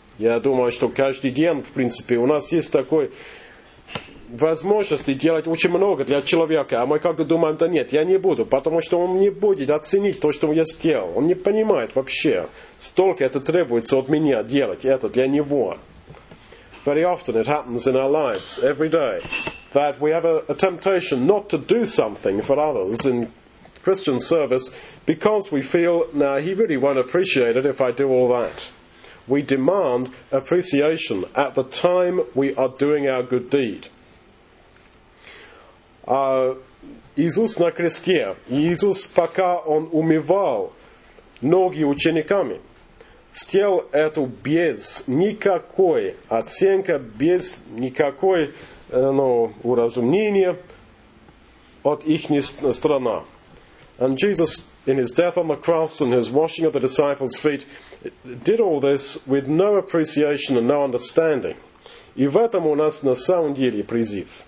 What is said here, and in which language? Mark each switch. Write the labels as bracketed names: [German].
[Russian] Я думаю, что каждый день, в принципе, у нас есть такой возможности делать очень много для человека, а мы как бы думаем, да нет, я не буду, потому что он не будет оценить то, что я сделал. Он не понимает вообще, столько это требуется от меня делать, это для него. [English] Very often it happens in our lives, every day, that we have a temptation not to do something for others in Christian service because we feel, nah, he really won't appreciate it if I do all that. We demand appreciation at the time we are doing our good deed. [Russian] Иисус на кресте, Иисус, пока Он умывал ноги учениками, сделал это без никакой оценки, без никакой уразумения от их стороны. [English] And Jesus, in his death on the cross and his washing of the disciples' feet, did all this with no appreciation and no understanding. [Russian] И в этом у нас на самом деле призыв.